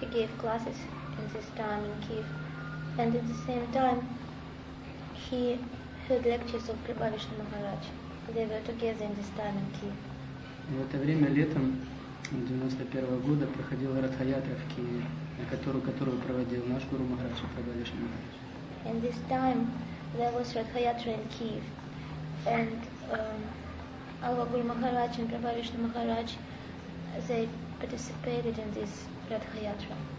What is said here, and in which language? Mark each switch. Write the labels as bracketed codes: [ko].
[en] He gave classes in this time in Kiev, and at the same time he heard lectures of Prabhavishnu Maharaj. They were together in this time in Kiev. [ru] В это время летом 91 года проходила Ратхаятра в Киеве, которую проводил наш Гуру Махарадж и Прабхавишна Махарадж. [en] And this time there was Ratha-yatra in Kiev, and our Guru Maharaj and Prabhavishnu Maharaj, they participated in this Ratha-yatra.